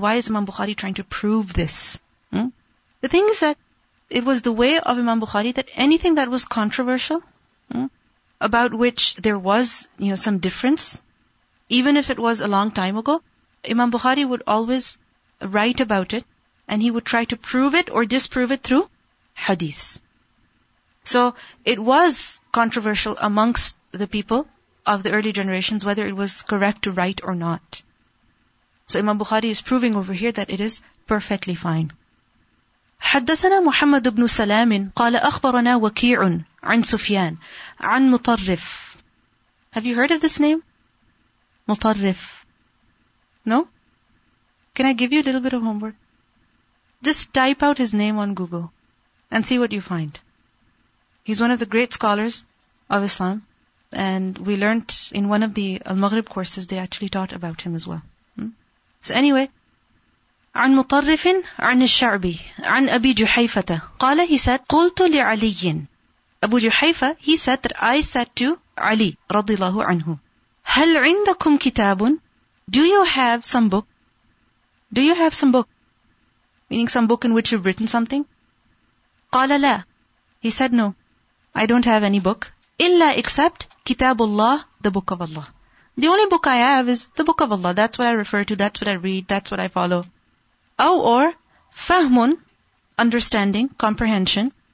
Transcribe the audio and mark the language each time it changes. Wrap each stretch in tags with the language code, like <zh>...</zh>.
<en>Why is Imam Bukhari trying to prove this? The thing is that it was the way of Imam Bukhari that anything that was controversial, about which there was, you know, some difference, even if it was a long time ago, Imam Bukhari would always write about it, and he would try to prove it or disprove it through hadith. So it was controversial amongst the people of the early generations whether it was correct to write or not. So Imam Bukhari is proving over here that it is perfectly fine.</en> <ar>حدثنا محمد بن سلام قال أخبرنا وكيع عن سفيان عن مطرف</ar> <en>Have you heard of this name? مطرف No? Can I give you a little bit of homework? Just type out his name on Google and see what you find. He's one of the great scholars of Islam, and we learned in one of the Al-Maghrib courses they actually taught about him as well. So anyway,</en> <ar>عن مطرف عن الشعبي عن أبي جحيفة قال</ar> <en>he said</en> <ar>قلت لعلي</ar> <en>أبو جحيفة he said that I said to علي رضي الله عنه</en> <ar>هل عندكم كتاب</ar> <en>Do you have some book? Do you have some book? Meaning some book in which you've written something?</en> <ar>قال لا</ar> <en>He said no, I don't have any book إلا except</en> <ar>كتاب الله</ar> <en>the book of Allah The only book I have is the book of Allah That's what I refer to, that's what I read, that's what I follow Or فهمٌ understanding, comprehension.</en>